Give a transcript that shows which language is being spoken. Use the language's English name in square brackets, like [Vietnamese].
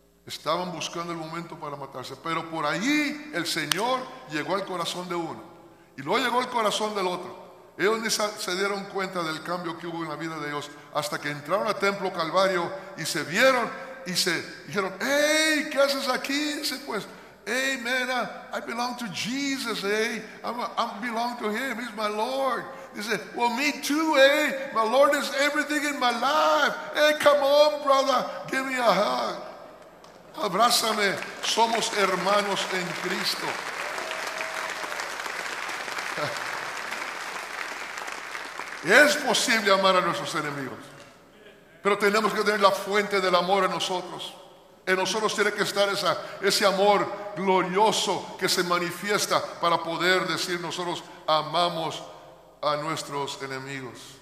[Spanish] Estaban buscando el momento para matarse, pero por allí el Señor llegó al corazón de uno y luego llegó al corazón del otro. Ellos ni se dieron cuenta del cambio que hubo en la vida de ellos hasta que entraron al Templo Calvario y se vieron y se dijeron: "Hey, ¿qué haces aquí?" Dice: "Pues, [English] hey, man, I belong to Jesus, hey. I belong to him, he's my Lord." Dice: "Well, me too, hey. My Lord is everything in my life. Hey, come on, brother, give me a hug. [Spanish] Abrázame, somos hermanos en Cristo." Es posible amar a nuestros enemigos, pero tenemos que tener la fuente del amor en nosotros. En nosotros tiene que estar ese amor glorioso que se manifiesta para poder decir nosotros amamos a nuestros enemigos.